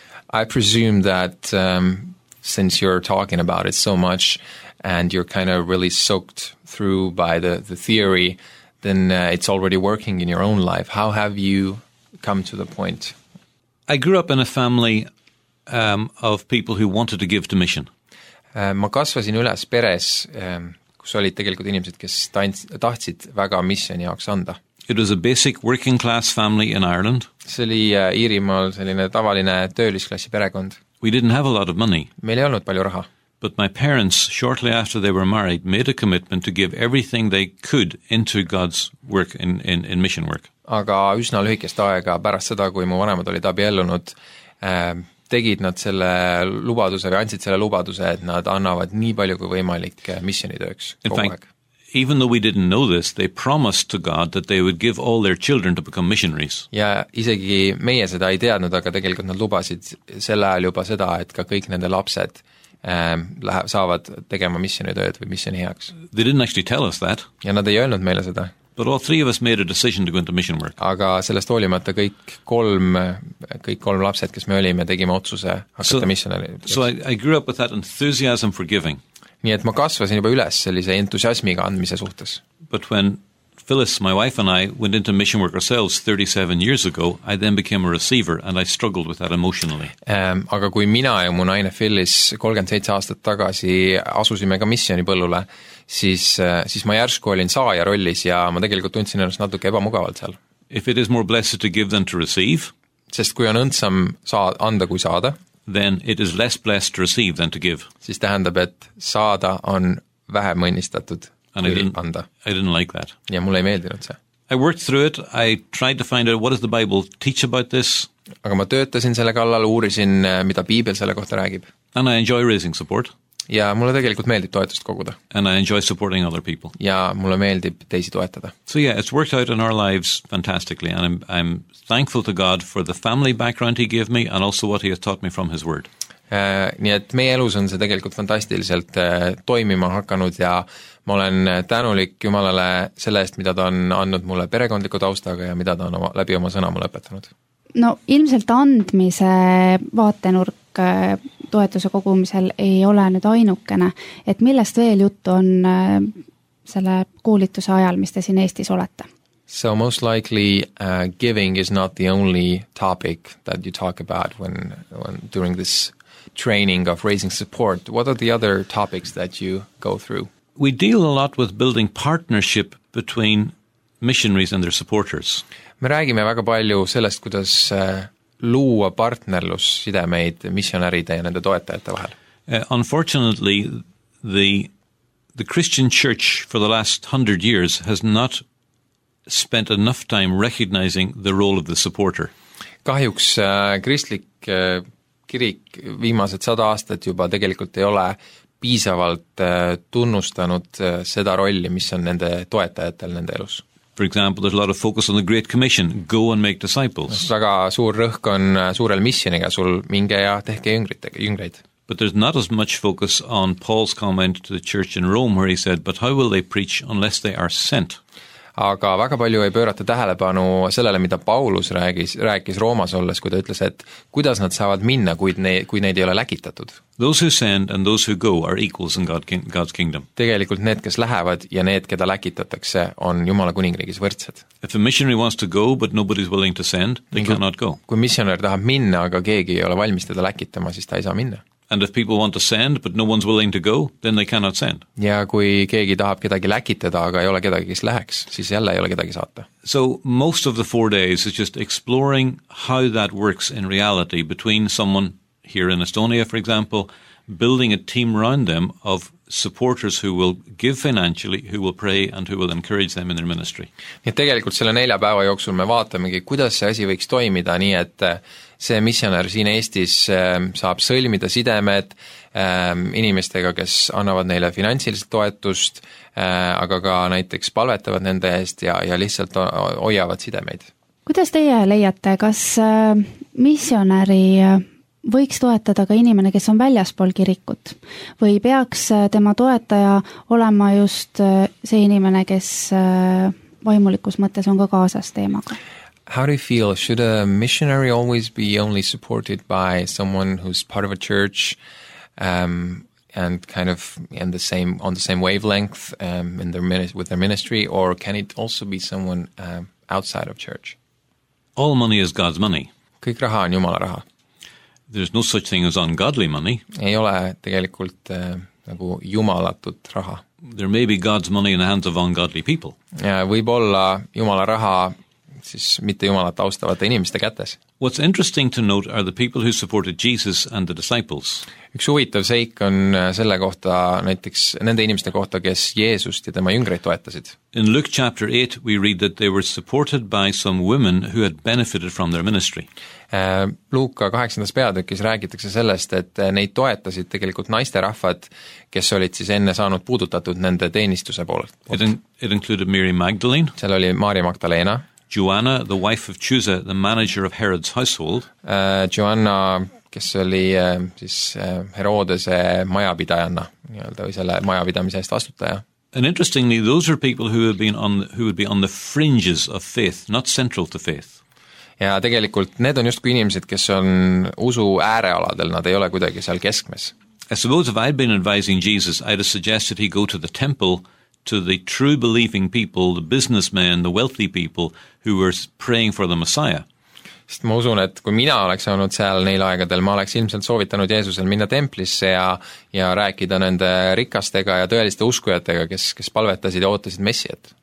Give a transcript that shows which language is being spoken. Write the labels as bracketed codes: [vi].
[en] I presume that since you're talking about it so much and you're kind of really soaked through by the theory, then it's already working in your own life. How have you come to the point? I grew up in a family of people who wanted to give to mission. [et] Ma kasvasin üles peres, kus olid tegelikult inimesed, kes tahtsid väga missioni jaoks anda. [en] It was a basic working class family in Ireland. [et] See oli Iirimaal selline tavaline töölisklassi perekond. [en] We didn't have a lot of money. [et] Meil ei olnud palju raha. [en] But my parents, shortly after they were married, made a commitment to give everything they could into God's work in mission work. [et] Aga üsna lühikest aega pärast seda, kui mu vanemad olid abiellunud, tegid nad selle lubaduse või andsid selle lubaduse, et nad annavad nii palju kui võimalik missionitööks kogu aeg. [en] In fact, even though we didn't know this, they promised to God that they would give all their children to become missionaries. [et] Ja isegi meie seda ei teadnud, aga tegelikult nad lubasid selle ajal juba seda, et ka kõik nende lapsed saavad tegema missionitööd või missioni heaks. [en] They didn't actually tell us that. [et] Ja nad ei öelnud meile seda. [en] But all three of us made a decision to go into mission work. [et] Aga sellest hoolimata kõik kolm lapsed, kes me olime, tegime otsuse hakata missionari. [en] So I grew up with that enthusiasm for giving. [et] Nii et ma kasvasin juba üles sellise entusiasmiga andmise suhtes. [en] But when Phyllis, my wife and I, went into mission work ourselves 37 years ago, I then became a receiver and I struggled with that emotionally. [et] Aga kui mina ja mu naine Phyllis 37 aastat tagasi asusime ka missioni põllule, siis ma järsku olin saaja rollis ja ma tegelikult tundsin ennast natuke ebamugavalt seal. [en] If it is more blessed to give than to receive, [et] sest kui on õndsam anda kui saada, [en] then it is less blessed to receive than to give. [et] Siis tähendab, et saada on vähem õnnistatud. [en] And I didn't like that. [et] Ja mulle ei meeldinud see. [en] I worked through it, I tried to find out what does the Bible teach about this. [et] Aga ma töötasin selle kallal, uurisin, mida Piibel selle kohta räägib. [en] And I enjoy raising support. [et] Ja mulle tegelikult meeldib toetust koguda. [en] And I enjoy supporting other people. [et] Ja mulle meeldib teisi toetada. [en] So yeah, it's worked out in our lives fantastically and I'm thankful to God for the family background he gave me and also what he has taught me from his word. [et] Nii et meie elus on see tegelikult fantastiliselt toimima hakanud ja ma olen tänulik Jumalale sellest, mida ta on annud mulle perekondliku taustaga ja mida ta on läbi oma sõna mulle õpetanud. No ilmselt andmise vaatenurk toetuse kogumisel ei ole nüüd ainukene, et millest veel juttu on selle koolituse ajal, mis te siin Eestis olete? [en] So most likely giving is not the only topic that you talk about when during this training of raising support. What are the other topics that you go through? We deal a lot with building partnership between missionaries and their supporters. [et] Me räägime väga palju sellest, kuidas luua partnerlus sidemeid missionäride ja nende toetajate vahel. [en] Unfortunately, the Christian church for the last 100 years has not spent enough time recognizing the role of the supporter. [et] Kahjuks kristlik kirik viimased 100 aastat juba tegelikult ei ole piisavalt tunnustanud seda rolli, mis on nende toetajatel nende elus. [en] For example, there's a lot of focus on the Great Commission, go and make disciples. [et] Väga suur rõhk on suurel missioniga, sul minge ja tehke jüngreid. [en] But there's not as much focus on Paul's comment to the church in Rome, where he said, but how will they preach unless they are sent? [et] Aga väga palju ei pöörata tähelepanu sellele, mida Paulus rääkis Roomas olles, kui ta ütles, et kuidas nad saavad minna, kui neid ei ole läkitatud. [en] Those who send and those who go are equals in God's kingdom. [et] Tegelikult need, kes lähevad ja need, keda läkitatakse, on Jumala kuningriigis võrdsed. [en] If a missionary wants to go, but nobody is willing to send, they cannot go. [et] Kui missionär tahab minna, aga keegi ei ole valmis teda läkitama, siis ta ei saa minna. [en] And if people want to send, but no one's willing to go, then they cannot send. [et] Ja kui keegi tahab kedagi läkitada, aga ei ole kedagi, kes läheks, siis jälle ei ole kedagi saata. [en] So most of the 4 days is just exploring how that works in reality between someone here in Estonia, for example, building a team around them of supporters who will give financially, who will pray and who will encourage them in their ministry. [et] Ja tegelikult selle 4 päeva jooksul me vaatamegi, kuidas see asi võiks toimida nii, et see missionär siin Eestis saab sõlmida sidemed inimestega, kes annavad neile finantsiliselt toetust, aga ka näiteks palvetavad nende eest ja lihtsalt hoiavad sidemeid. Kuidas teie leiate, kas missionäri võiks toetada ka inimene, kes on väljaspool kirikut? Või peaks tema toetaja olema just see inimene, kes vaimulikus mõttes on ka kaasas teemaga? [en] How do you feel? Should a missionary always be only supported by someone who's part of a church and kind of in the same on the same wavelength in their with their ministry, or can it also be someone outside of church? All money is God's money. [et] Kõik raha on Jumala raha. [en] There's no such thing as ungodly money. [et] Ei ole tegelikult nagu jumalatud raha. [en] There may be God's money in the hands of ungodly people. [et] Yeah, võib olla Jumala raha siis mitte jumalat austavate inimeste kätes. [en] What's interesting to note are the people who supported Jesus and the disciples. [et] Üks huvitav seik on selle kohta, näiteks nende inimeste kohta, kes Jeesust ja tema jüngreid toetasid. [en] In Luke chapter 8 we read that they were supported by some women who had benefited from their ministry. [et] Luuka 8. Peatükis räägitakse sellest, et neid toetasid tegelikult naiste rahvad, kes olid siis enne saanud puudutatud nende teenistuse poolt. [en] It included Mary Magdalene. [et] Seal oli Maria Magdalena. [en] Joanna, the wife of Chusa, the manager of Herod's household. [et] Joanna, kes oli siis Herodese majapidajana, nii-öelda või selle majapidamise eest vastutaja. [en] And interestingly, those are people who have been on who would be on the fringes of faith, not central to faith. [et] Ja tegelikult need on just kui inimesed, kes on usu äärealadel, nad ei ole kuidagi seal keskmes. [en] I suppose if I'd been advising Jesus, I'd have suggested he go to the temple to the true believing people, the businessmen, the wealthy people who were praying for the Messiah. [et] Sest ma usun, et kui mina oleks olnud seal neil aegadel, ma oleks ilmselt soovitanud Jeesusel minna templisse ja rääkida nende rikastega ja tõeliste uskujatega, kes palvetasid ja ootasid messijat.